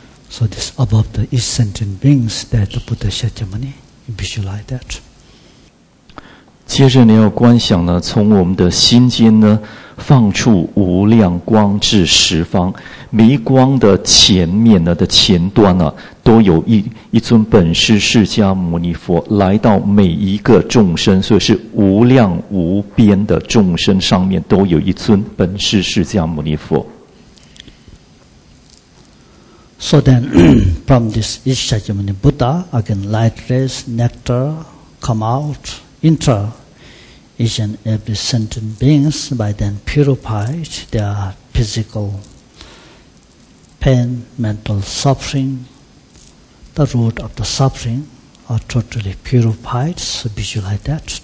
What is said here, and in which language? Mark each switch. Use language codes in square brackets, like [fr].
[en] So this above the each sentient beings, there the Buddha Shakyamuni, you visualize that. [zh] 接着呢，要观想呢，从我们的心间呢，放出无量光至十方，每一光的前面呢的前端呢、啊，都有一尊本师释迦牟尼佛来到每一个众生，所以是无量无边的众生上面都有一尊本师释迦牟尼佛。 [en] So then, from this Shakyamuni Buddha, again light rays, nectar come out. Enter each and every sentient beings by then purified their physical pain, mental suffering, the root of the suffering are totally purified, so visualize that.